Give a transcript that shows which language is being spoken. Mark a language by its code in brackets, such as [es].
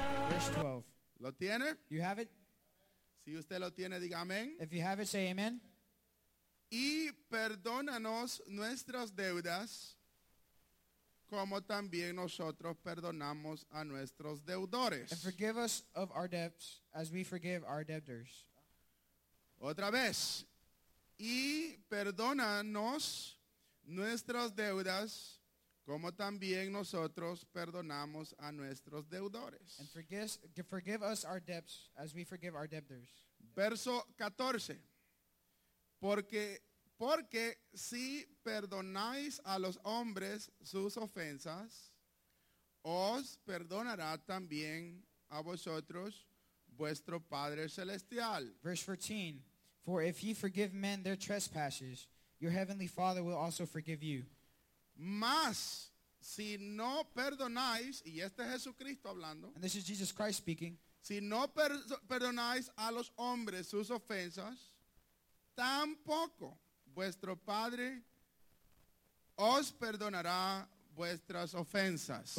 [en] Verse 12. [es] ¿Lo tiene? [en] You have it? [es] Si usted lo tiene, diga amén. [en] If you have it, say amen. [es] Y perdónanos nuestras deudas, como también nosotros perdonamos a nuestros deudores. [en] And forgive us of our debts, as we forgive our debtors. [es] Otra vez. Y perdónanos nuestras deudas, como también nosotros perdonamos a nuestros deudores. [en] And forgive us our debts, as we forgive our debtors. [es] Verso 14. Porque si perdonáis a los hombres sus ofensas, os perdonará también a vosotros vuestro Padre Celestial. [en] Verse 14. For if ye forgive men their trespasses, your heavenly Father will also forgive you. [es] Mas si no perdonáis, y este es Jesucristo hablando. [en] And this is Jesus Christ speaking. [es] Si no perdonáis a los hombres sus ofensas, tampoco vuestro Padre os perdonará vuestras ofensas.